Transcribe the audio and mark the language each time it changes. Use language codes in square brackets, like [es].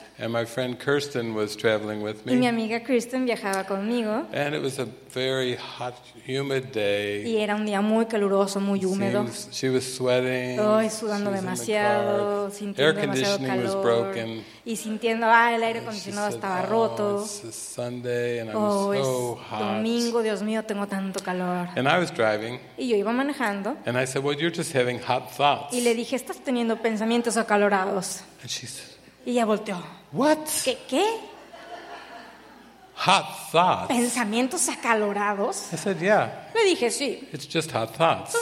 [en] And my friend Kirsten was traveling with me. [es] Y mi amiga Kirsten viajaba conmigo. [en] And it was a very hot, humid day. [es] Y era un día muy caluroso, muy húmedo. [en] She was sweating. [es] Ay, sudando demasiado, sintiendo demasiado calor. [en] Air conditioning was broken. [es] Y sintiendo, el aire acondicionado estaba roto. [en] Oh, it's Sunday and I'm so hot. [es] Oh, es domingo, Dios mío, tengo tanto calor. [en] And I was driving. [es] Y yo iba manejando. [en] And I said, well, you're just having hot thoughts. [es] Y le dije, estás teniendo pensamientos acalorados. [en] And she said, [es] y ella volteó. [en] What? [es] ¿Qué? [en] Hot thoughts. [es] ¿Pensamientos acalorados? [en] I said, yeah. [es] Le dije, sí. [en] It's just hot thoughts.